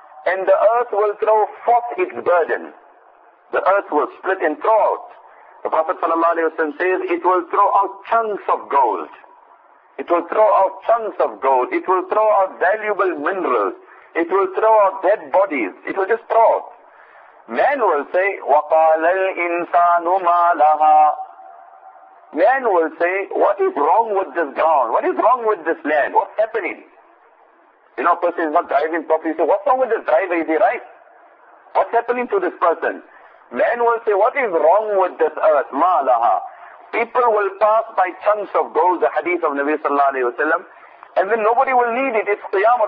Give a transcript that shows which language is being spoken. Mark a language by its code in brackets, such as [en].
[en] And the earth will throw forth its burden. The earth will split and throw out. The Prophet Sallallahu Alaihi Wasallam says, it will throw out chunks of gold. It will throw out chunks of gold. It will throw out valuable minerals. It will throw out dead bodies. It will just throw out. Man will say, [ar] وَقَالَ الْإِنسَانُ مَا لَهَا. [en] Man will say, what is wrong with this ground? What is wrong with this land? What's happening? You know, a person is not driving properly. So what's wrong with this driver? Is he right? What's happening to this person? Man will say, what is wrong with this earth? [ar] مَا لَهَا. [en] People will pass by chunks of gold, the hadith of Nabi Sallallahu Alaihi Wasallam, and then nobody will need it. It's Qiyamah.